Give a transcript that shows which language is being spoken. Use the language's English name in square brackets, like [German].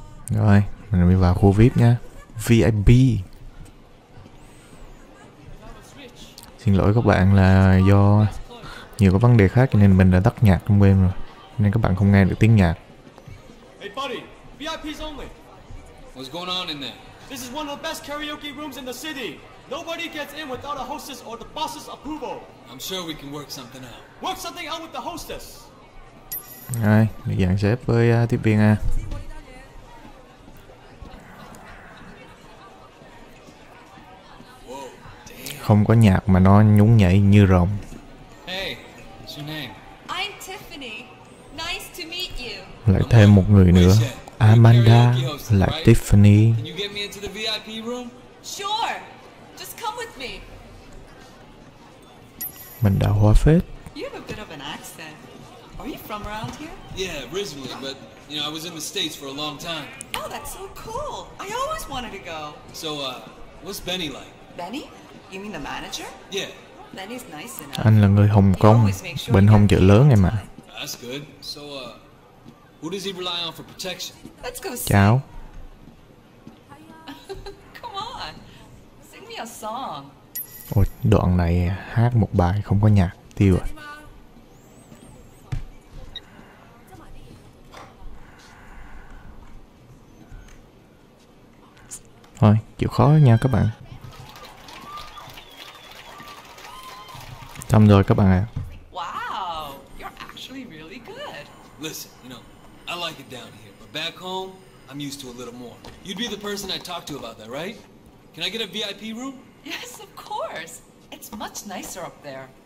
[Vietnamese] Rồi, mình đi vào khu VIP nha. VIP. Xin lỗi các bạn là do nhiều cái vấn đề khác nên mình đã tắt nhạc trong game rồi. Nên các bạn không nghe được tiếng nhạc. [English] Hey buddy, VIP's only. What's going on in there? This is one of the best karaoke rooms in the city. Nobody gets in without a hostess or the boss's approval. I'm sure we can work something out. Work something out with the hostess. [Vietnamese] Rồi, được dàn xếp với tiếp viên à. Không có nhạc mà nó nhún nhảy như rồng. [English] Hey, what's your name? I'm Tiffany. Nice to meet you. [Vietnamese] Lại thêm một người nữa. Amanda, lại Tiffany. [English] Can you get me into the VIP room? Sure. Just come with me. [Vietnamese] Mình đã hóa phết. [English] You have a bit of an accent. Are you from around here? Yeah, originally, but you know, I was in the States for a long time. Oh, that's so cool. I always wanted to go. So, what's Benny like? Benny? You mean the manager? Yeah. Benny's nice enough. [Vietnamese] Anh là người Hồng Kông, bên Hồng chợ lớn em ạ. [English] That's good. So, who does he rely on for protection? Let's go see. [Vietnamese] Chào. [English] Come on. Sing me a song. [Vietnamese] Ôi, đoạn này hát một bài không có nhạc, tiêu rồi. Thôi, chịu khó nha các bạn. Xong rồi các bạn ạ. À. [English] Wow, you're actually really good. Listen, you know, I like it down here, but back home, I'm used to a little more. You'd be the person I talk to about that, right? Can I get a VIP room? Yes, of course. It's much nicer up there.